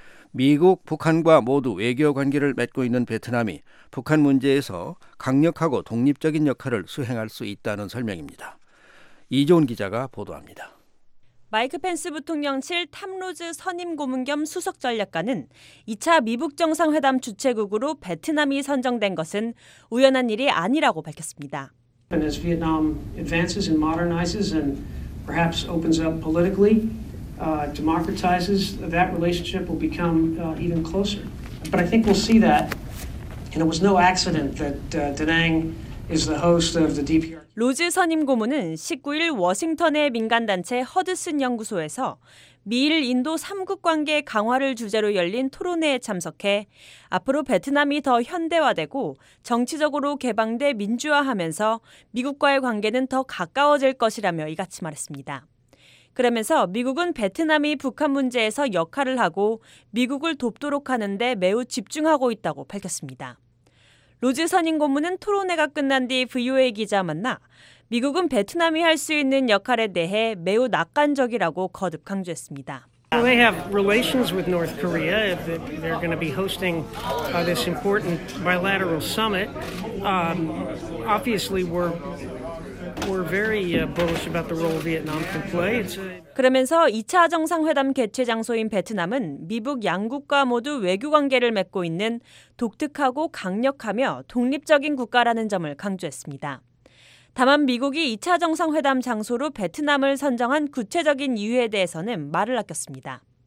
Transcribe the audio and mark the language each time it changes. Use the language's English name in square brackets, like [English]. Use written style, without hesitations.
[Korean] 미국, 북한과 모두 외교 관계를 맺고 있는 베트남이 북한 문제에서 강력하고 독립적인 역할을 수행할 수 있다는 설명입니다. 이종훈 기자가 보도합니다. 마이크 펜스 부통령실 탐로즈 선임 고문 겸 수석 전략가는 2차 미북 정상회담 주최국으로 베트남이 선정된 것은 우연한 일이 아니라고 밝혔습니다. [English] And as Vietnam advances and modernizes and perhaps opens up politically, democratizes, that relationship will become even closer. But I think we'll see that, and it was no accident that Da Nang is the host of the DPR. [Korean] 로즈 선임 고문은 19일 워싱턴의 민간단체 허드슨 연구소에서 미일 인도 3국 관계 강화를 주제로 열린 토론회에 참석해 앞으로 베트남이 더 현대화되고 정치적으로 개방돼 민주화하면서 미국과의 관계는 더 가까워질 것이라며 이같이 말했습니다. 그러면서 미국은 베트남이 북한 문제에서 역할을 하고 미국을 돕도록 하는 데 매우 집중하고 있다고 밝혔습니다. 로즈 선임 고문은 토론회가 끝난 뒤 VOA 기자 만나 미국은 베트남이 할 수 있는 역할에 대해 매우 낙관적이라고 거듭 강조했습니다. [English] We have relations with North Korea. They're going to be hosting this important bilateral summit. Obviously, we're very bullish about the role Vietnam can play. [Korean] 그러면서 2차 정상회담 개최 장소인 베트남은 미북 양국과 모두 외교 관계를 맺고 있는 독특하고 강력하며 독립적인 국가라는 점을 강조했습니다. 다만 미국이 2차 정상회담 장소로 베트남을 선정한 구체적인 이유에 대해서는 말을 아꼈습니다.